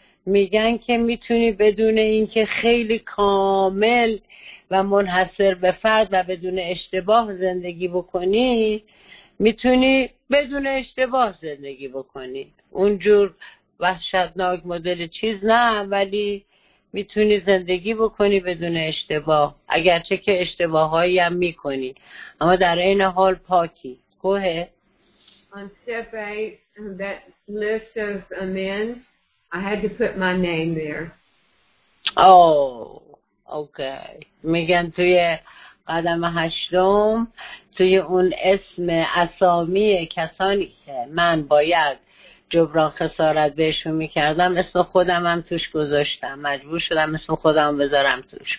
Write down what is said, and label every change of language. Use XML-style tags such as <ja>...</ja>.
<fa>میگن که میتونی بدون اینکه خیلی کامل و منحصر به فرد و بدون اشتباه زندگی بکنی، میتونی بدون اشتباه زندگی بکنی. اونجور وحشتناک مدل چیز نه، ولی میتونی زندگی بکنی بدون اشتباه، اگرچه که اشتباهایی هم میکنی، اما در این حال پاکی. گوه</fa> <en>On step 8, that list of amends, I had to put my name there. Oh, okay.</en> <fa>میگن توی قدم هشتم توی اون اسم اسامی کسانی که من باید جبران خسارت بهشون میکردم، اسم خودم هم توش گذاشتم، مجبور شدم اسم خودم بذارم توش.</fa>